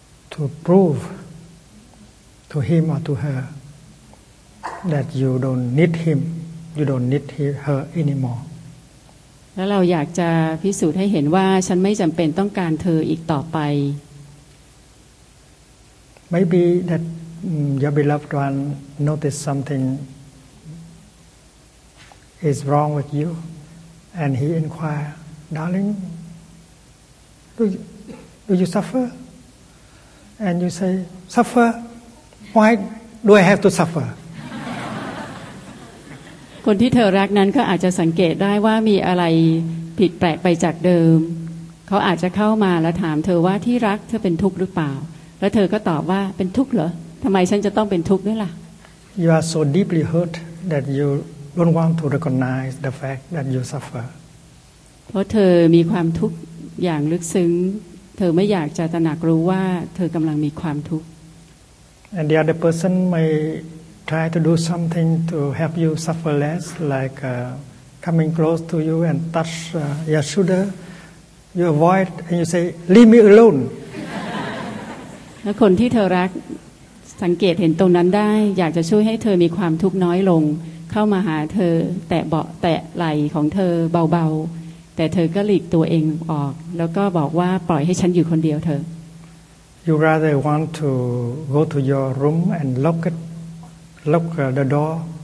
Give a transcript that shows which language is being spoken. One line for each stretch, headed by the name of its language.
English: to prove to him or to herThat you don't need him, you don't need her anymore.
Thai: แล้วเราอยากจะพิสูจน์ให้เห็นว่าฉันไม่จำเป็นต้องการเธออีกต่อไป
English: Maybe that your beloved one noticed something is wrong with you, and he inquired, "Darling, do you suffer?" And you say, "Suffer? Why do I have to suffer?"
Thai: คนที่เธอรักนั้นก็อาจจะสังเกตได้ว่ามีอะไรผิดแปลกไปจากเดิมเขาอาจจะเข้ามาแล้วถามเธอว่าที่รักเธอเป็นทุกข์หรือเปล่าแล้วเธอก็ตอบว่าเป็นทุกข์เหรอทำไมฉันจะต้องเป็นทุกข์ด้วยล่ะ
English: You are so deeply hurt that you don't want to recognize the fact that you suffer
Thai: เพราะเธอมีความทุกข์อย่างลึกซึ้งเธอไม่อยากจะตระหนักรู้ว่าเธอกำลังมีความทุกข์
English: And the other person mayTry to do something to help you suffer less, like coming close to you and touch your shoulder. You avoid and you say, "Leave me alone."
Thai: คนที่เธอรักสังเกตเห็นตรงนั้นได้อยากจะช่วยให้เธอมีความทุกข์น้อยลงเข้ามาหาเธอแตะเบาะแตะไหล่ของเธอเบาๆแต่เธอก็หลีกตัวเองออกแล้วก็บอกว่าปล่อยให้ฉันอยู่คนเดียวเธอ
English: You rather want to go to your room and lock it. Lock the door.